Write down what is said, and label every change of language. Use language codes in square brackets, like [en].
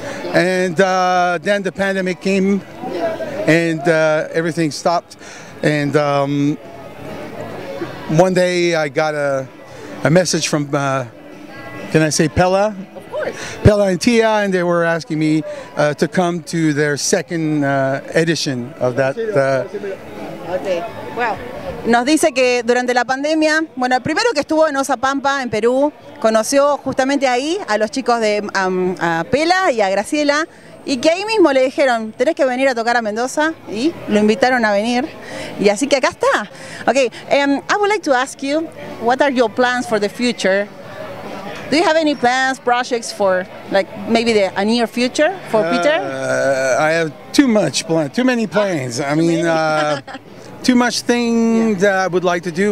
[en] And then the pandemic came, and everything stopped. And one day I got a message from, can I say Pella? Pella and Tia, and they were asking me to come to their second edition of that. Okay. [es] Well, nos dice que durante la pandemia, bueno, primero que estuvo en Asampempa, en Perú, conoció justamente ahí a los chicos de a Pella y a Graciela, y que ahí mismo le dijeron, tenés que venir a tocar a Mendoza, y lo invitaron a venir, y así que acá está. [en] Okay, I would like to ask you, what are your plans for the future? Do you have any plans, projects for, like, maybe the a near future for Peter? I have too many plans. I mean, too much things yeah. that I would like to do.